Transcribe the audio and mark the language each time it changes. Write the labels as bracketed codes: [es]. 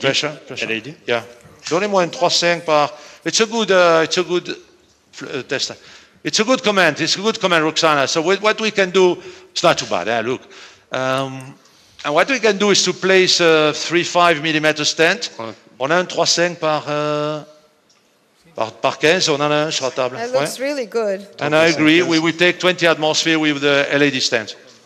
[en] Pressure. LAD. Yeah. [fr] Donnez-moi un 3.5 par... [en] It's a good test. It's a good comment. It's a good comment, Roxana. So what we can do, it's not too bad, eh? Look. And what we can do is to place a 3.5 millimeter stent. [fr] On a un 3.5 par 15, on en a un sur la table. [en] That looks really good. And I agree, we will take 20 atmosphere with the LAD stent.